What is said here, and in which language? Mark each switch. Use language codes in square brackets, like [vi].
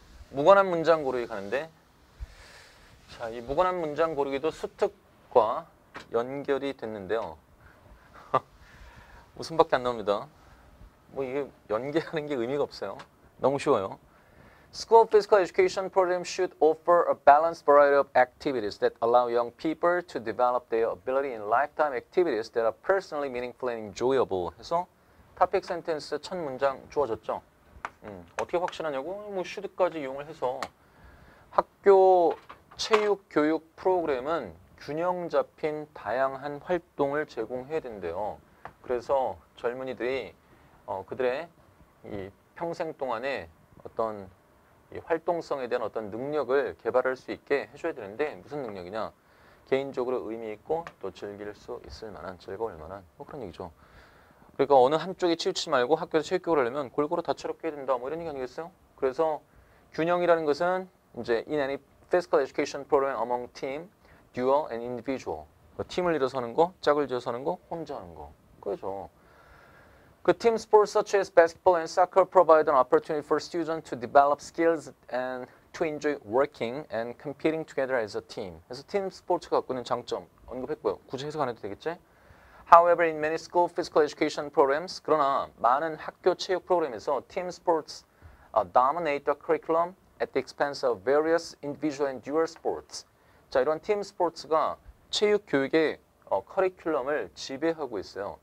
[ko] 무관한 문장 고르기 가는데 자, 이 무관한 문장 고르기도 수특과 연결이 됐는데요. 웃음밖에 안 나옵니다. 뭐 이게 연계하는 게 의미가 없어요. 너무 쉬워요. [en] School physical education program should offer a balanced variety of activities that allow young people to develop their ability in lifetime activities that are personally meaningful and enjoyable. [ko] 해서 topic sentence 첫 문장 주어졌죠. 어떻게 확신하냐고? 뭐 should까지 이용을 해서 학교 체육 교육 프로그램은 균형 잡힌 다양한 활동을 제공해야 된대요. 그래서 젊은이들이 그들의 이 평생 동안에 어떤 이 활동성에 대한 어떤 능력을 개발할 수 있게 해줘야 되는데 무슨 능력이냐? 개인적으로 의미 있고 또 즐길 수 있을 만한 즐거울 만한 뭐 그런 얘기죠. 그러니까 어느 한쪽에 치우치지 말고 학교에서 체육교육을 하려면 골고루 다채롭게 해야 된다 뭐 이런 얘기 아니겠어요? 그래서 균형이라는 것은 이제 [en] in any physical education program among team, dual and individual. [ko] 팀을 이뤄서 하는 거, 짝을 지어서 하는 거, 혼자 하는 거. 그렇죠. 그 팀 스포츠 [en] such as basketball and soccer provide an opportunity for students to develop skills and to enjoy working and competing together as a team. [ko] 그래서 팀 스포츠가 갖고 있는 장점 언급했고요. 굳이 해석 안 해도 되겠지? [en] However, in many school physical education programs, [ko] 그러나 많은 학교 체육 프로그램에서 팀 스포츠 [en] dominate the curriculum at the expense of various individual and dual sports. [ko] 자, 이런 팀 스포츠가 체육 교육의 커리큘럼을 지배하고 있어요.